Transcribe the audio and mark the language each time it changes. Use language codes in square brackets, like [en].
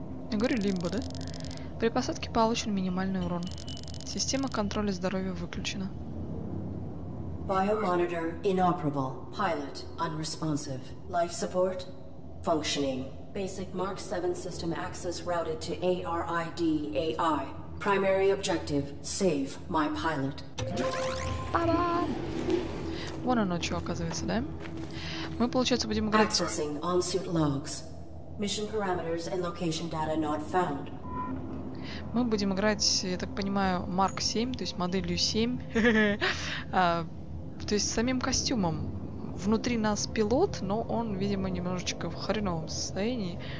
[ru] Я говорю Лимбо, да? При посадке получен минимальный урон. Система контроля здоровья выключена. [en] Biomonitor inoperable. Pilot unresponsive. Life support functioning. Basic Mark 7 system access routed to ARID AI. Primary objective: save my pilot. [ru] Та-да! Вон оно что оказывается, да? Мы, получается, будем играть. [en] Accessing on-suit logs. Mission parameters and location data not found. [ru] Мы будем играть, я так понимаю, Mark 7, то есть моделью 7. То есть самим костюмом. Внутри нас пилот, но он, видимо, немножечко в хреновом состоянии.